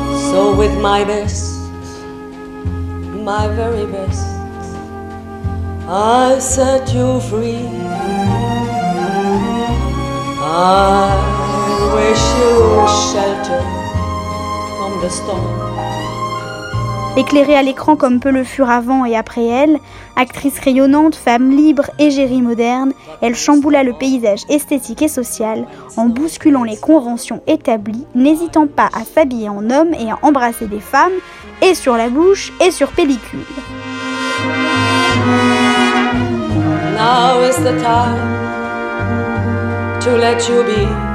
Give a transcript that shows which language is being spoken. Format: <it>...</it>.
<en>So with my best, my very best, I set you free. I wish you shelter from the storm.</en> <fr>Éclairée à l'écran comme peu le fut avant et après elle, actrice rayonnante, femme libre, égérie moderne, elle chamboula le paysage esthétique et social en bousculant les conventions établies, n'hésitant pas à s'habiller en homme et à embrasser des femmes, et sur la bouche, et sur pellicule.</fr> <en>Now is the time to let you be.</en>